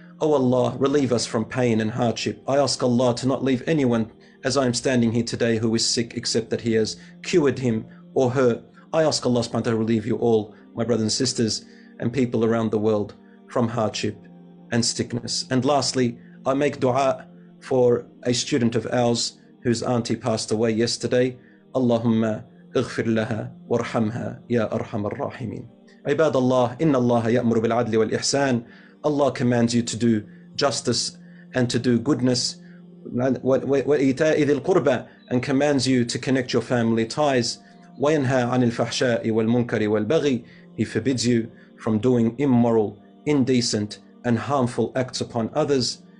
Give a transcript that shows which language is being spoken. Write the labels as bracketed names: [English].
[English] Oh Allah, relieve us from pain and hardship. I ask Allah to not leave anyone as I am standing here today who is sick, except that He has cured him or her. I ask Allah subhanahu wa ta'ala to relieve you all, my brothers and sisters and people around the world, from hardship and sickness. And lastly, I make dua for a student of ours whose auntie passed away yesterday. [Arabic] Allahumma اغفر لها وارحمها يا أرحم الراحمين. عباد الله, إن الله يأمر بالعدل والإحسان. [English] Allah commands you to do justice and to do goodness. [Arabic] وإيتاء ذي القربى, [English] and commands you to connect your family ties. [Arabic] وينهى عن الفحشاء والمنكر والبغي, [English] He forbids you from doing immoral, indecent and harmful acts upon others.